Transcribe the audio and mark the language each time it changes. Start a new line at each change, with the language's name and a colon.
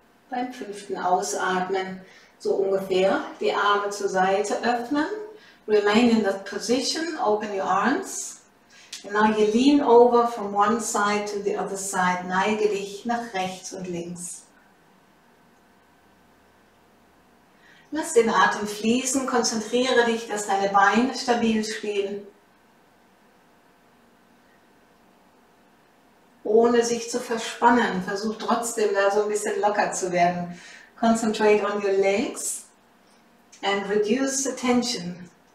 German: Beim 5. Ausatmen so ungefähr die Arme zur Seite öffnen.
English: Remain in that position, open your arms. Now you lean over from one side to the other side.
German: Neige dich nach rechts und links. Lass den Atem fließen. Konzentriere dich, dass deine Beine stabil stehen. Ohne sich zu verspannen, versuch trotzdem da so ein bisschen locker zu werden.
English: Concentrate on your legs and reduce the tension.